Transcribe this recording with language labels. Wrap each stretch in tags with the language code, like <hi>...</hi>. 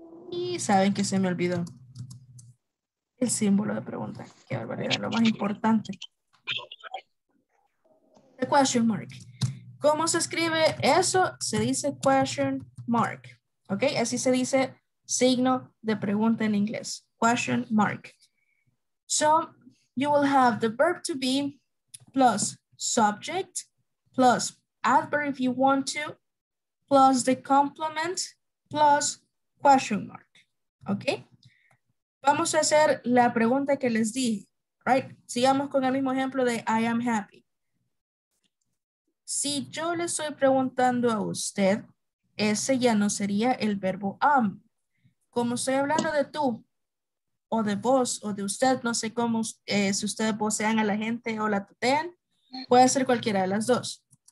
<es>Y saben que se me olvidó el símbolo de pregunta. Qué barbaridad, lo más importante.</es> <en>The question mark.</en> <es>¿Cómo se escribe eso? Se dice question mark. ¿Ok? Así se dice signo de pregunta en inglés.</es> <en>Question mark. So, you will have the verb to be plus subject plus adverb if you want to plus the complement plus question mark.</en> <es>¿Ok? Vamos a hacer la pregunta que les di.</es> <en>Right?</en> <es>Sigamos con el mismo ejemplo de I am happy. Si yo le estoy preguntando a usted, ese ya no sería el verbo am. Como estoy hablando de tú, o de vos, o de usted, no sé cómo, si ustedes vocean a la gente o la tutean, puede ser cualquiera de las dos.</es>